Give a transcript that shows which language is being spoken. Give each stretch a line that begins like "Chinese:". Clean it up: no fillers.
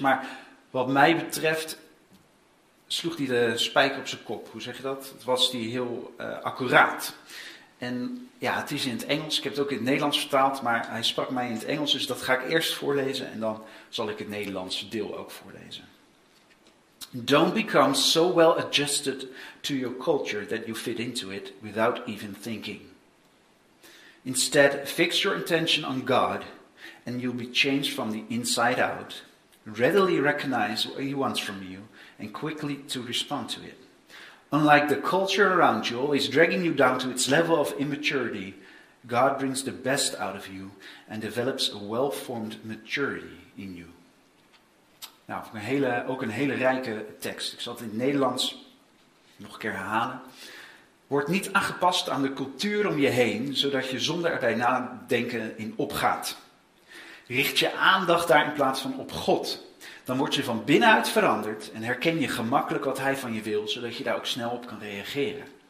Dutch: Maar wat mij betreft sloeg die de spijker op zijn kop. Hoe zeg je dat? Het was die heel accuraat. En ja, het is in het Engels. Ik heb het ook in het Nederlands vertaald. Maar hij sprak mij in het Engels. Dus dat ga ik eerst voorlezen. En dan zal ik het Nederlandse deel ook voorlezen.
English: Don't become so well adjusted to your culture that you fit into it without even thinking. Instead, fix your attention on God and you'll be changed from the inside out. Readily recognize what he wants from you and quickly to respond to it. Unlike the culture around you, always dragging you down to its level of immaturity, God brings the best out of you and develops a well-formed maturity in you.
Dutch: Nou, ook een hele rijke tekst. Ik zal het in het Nederlands nog een keer herhalen. Word niet aangepast aan de cultuur om je heen, zodat je zonder erbij nadenken in opgaat. Richt je aandacht daar in plaats van op God. Dan word je van binnenuit veranderd en herken je gemakkelijk wat hij van je wil, zodat je daar ook snel op kan reageren.